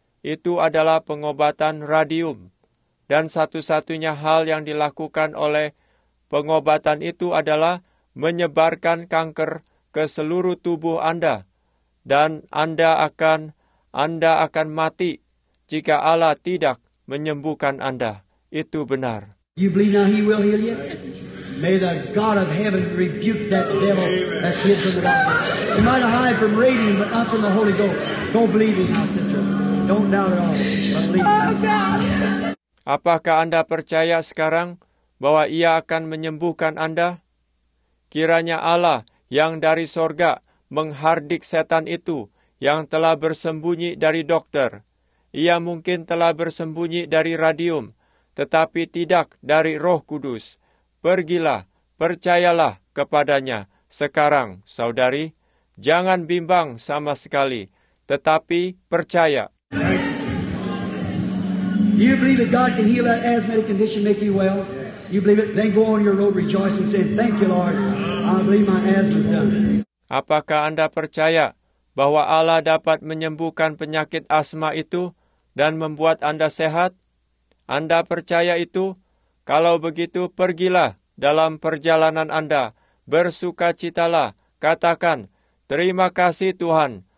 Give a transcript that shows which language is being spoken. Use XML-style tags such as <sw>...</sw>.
<id>Itu adalah pengobatan radium. Dan satu-satunya hal yang dilakukan oleh pengobatan itu adalah menyebarkan kanker ke seluruh tubuh Anda. Dan Anda akan mati jika Allah tidak menyembuhkan Anda. Itu benar.</id> <en>You believe now he will heal you? May the God of heaven rebuke that devil that's hid from the doctor. You might have hide from radium, but not from the Holy Ghost. Don't believe it, my sister. Don't doubt it all. But believe it. Oh, God.</en> <id>Apakah Anda percaya sekarang bahwa ia akan menyembuhkan Anda? Kiranya Allah yang dari sorga menghardik setan itu yang telah bersembunyi dari dokter. Ia mungkin telah bersembunyi dari radium, tetapi tidak dari Roh Kudus. Pergilah, percayalah kepadanya. Sekarang, saudari, jangan bimbang sama sekali, tetapi percaya.</id> <en>You believe that God can heal that asthmatic condition, make you well? You believe it? Then go on your road rejoicing, saying, "Thank you, Lord. I believe my asthma's done."</en> <id>Apakah Anda percaya bahwa Allah dapat menyembuhkan penyakit asma itu dan membuat Anda sehat? Anda percaya itu? Kalau begitu, pergilah dalam perjalanan Anda. Bersukacitalah. Katakan, "Terima kasih Tuhan.</id>